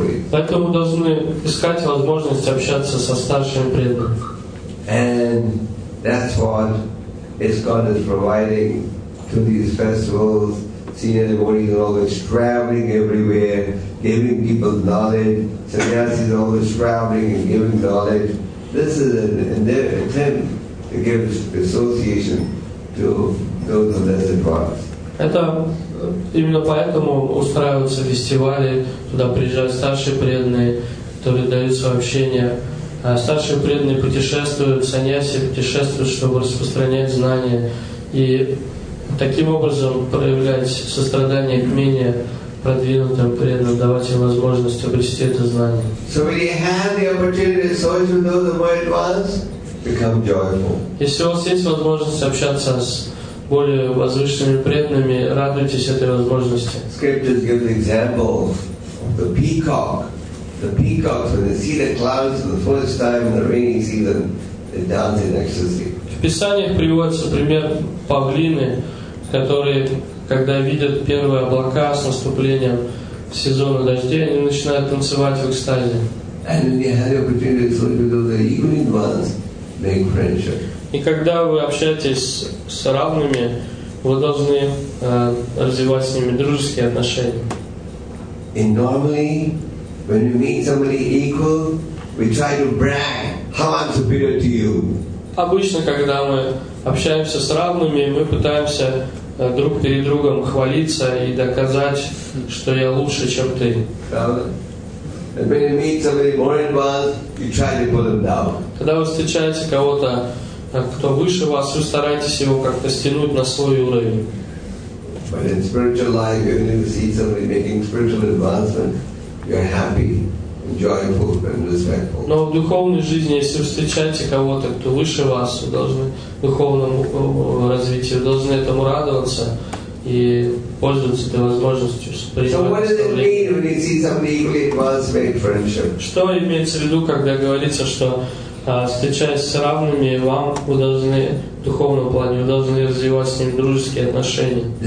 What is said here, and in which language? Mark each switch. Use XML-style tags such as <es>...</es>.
<ru>Поэтому должны искать возможность общаться со старшими преданными.</ru> <en>And that's what ISKCON is providing to these festivals. Senior devotees are always traveling everywhere, giving people knowledge. Sannyasis are always traveling and giving knowledge. This is an attempt to give association to those who less advanced.</en> <ru>Именно поэтому устраиваются фестивали, туда приезжают старшие преданные, которые дают свое общение. Старшие преданные путешествуют, саньяси путешествуют, чтобы распространять знания и таким образом проявлять сострадание к менее продвинутым преданным, давать им возможность обрести это знание.</ru> <en>So when you have the opportunity to associate with those more advanced, become joyful.</en> <ru>Если у вас есть возможность общаться с более возвышенными преданными, радуйтесь этой возможности.</ru> <en>Scriptures give the example of the peacock. The peacocks, when they see the clouds for the first time in the rainy season, they dance in ecstasy.</en> <ru>В Писаниях приводится пример павлины, которые, когда видят первые облака с наступлением сезона дождей, они начинают танцевать в экстазе.</ru> <en>And when you have the opportunity to do the evening ones, make friendship.</en> <ru>И когда вы общаетесь с равными, вы должны развивать с ними дружеские отношения.</ru> <en>And normally, when you meet somebody equal, we try to brag how I'm superior to you.</en> <ru>Обычно, когда мы общаемся с равными, мы пытаемся друг перед другом хвалиться и доказать, что я лучше, чем ты.</ru> <en>And when you meet somebody more advanced, you try to pull them down.</en> <ru>Когда вы встречаете кого-то, кто выше вас, вы стараетесь его как-то стянуть на свой уровень.</ru> <en>But in spiritual life, when you see somebody making spiritual advancement, you're happy, joyful, and respectful.</en> <ru>Но в духовной жизни, если вы встречаете кого-то, кто выше вас, вы должны духовному развитию, вы должны этому радоваться и пользоваться этой возможностью. Что имеется в виду, когда говорится, что встречаясь с равными, вам вы должны в духовном плане, вы должны развивать с ним дружеские отношения.</ru>